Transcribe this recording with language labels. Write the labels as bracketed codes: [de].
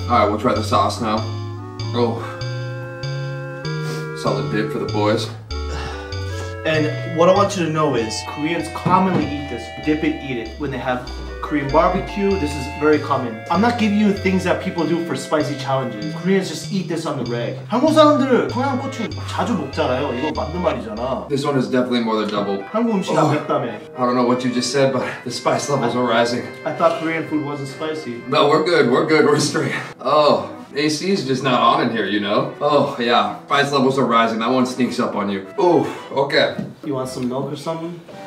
[en] All right, we'll try the sauce now. Oh. Solid dip for the boys. And what I want you to know is Koreans commonly eat this, dip it, eat it. When they have Korean barbecue, this is very common. I'm not giving you things that people do for spicy challenges. Koreans just eat this on the reg. [ko] 한국 사람들은 청양고추 자주 먹잖아요. 이거 맞는 말이잖아. [en] This one is definitely more than double. [ko] 한국 음식 안 맵다며. [en] I don't know what you just said, but the spice levels are rising. I thought Korean food wasn't spicy. No, we're good. We're good. We're straight. Oh. AC is just not on in here, you know? Oh, yeah. Spice levels are rising. That one sneaks up on you. Oh, okay. You want some milk or something?